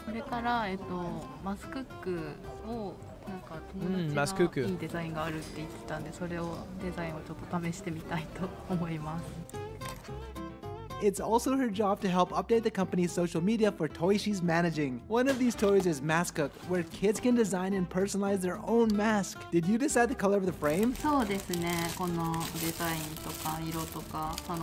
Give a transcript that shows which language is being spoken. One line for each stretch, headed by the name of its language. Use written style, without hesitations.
Japanese: これから、マスクックをなんか友達がいいデザインがあるって言ってたんで、それをデザインをちょっと試してみたいと思います。
English: It's also her job to help update the company's social media for toys she's managing. One of these toys is Maskook, where kids can design and personalize their own mask. Did you decide the color of the frame?
Japanese: そうですね。このデザインとか色とか、